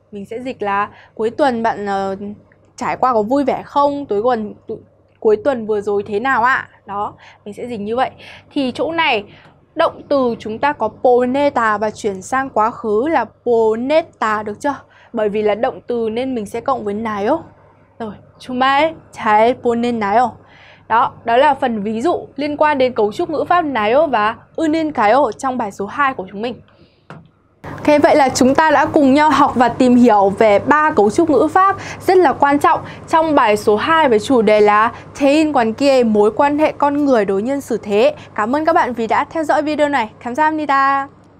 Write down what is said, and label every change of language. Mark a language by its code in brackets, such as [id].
[vi] Mình sẽ dịch là cuối tuần bạn trải qua có vui vẻ không? Cuối tuần vừa rồi thế nào ạ? Đó, mình sẽ dịch như vậy. Thì chỗ này, động từ chúng ta có 보내다 và chuyển sang quá khứ là 보냈다, được chưa? Bởi vì là động từ nên mình sẽ cộng với 나요. [ko] Rồi, 주말 잘 보냈나요? [vi] Đó, đó là phần ví dụ liên quan đến cấu trúc ngữ pháp 나요 và 은인가요 trong bài số 2 của chúng mình. Ok, vậy là chúng ta đã cùng nhau học và tìm hiểu về ba cấu trúc ngữ pháp rất là quan trọng trong bài số 2 với chủ đề là thế in quán kia, mối quan hệ con người đối nhân xử thế. Cảm ơn các bạn vì đã theo dõi video này. [ko] 감사합니다.